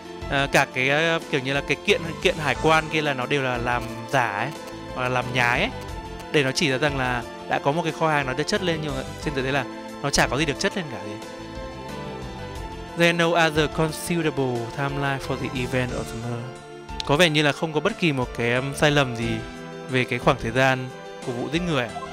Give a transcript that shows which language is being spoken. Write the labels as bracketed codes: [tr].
[vi] Cả cái kiểu như là cái kiện hải quan kia là nó đều là làm giả ấy hoặc là làm nhái ấy để nó chỉ ra rằng là đã có một cái kho hàng nó đã chất lên nhưng mà trên thực tế là nó chả có gì được chất lên cả gì. [en] There no other conceivable timeline for the event of the murder. [vi] Có vẻ như là không có bất kỳ một cái sai lầm gì về cái khoảng thời gian của vụ giết người.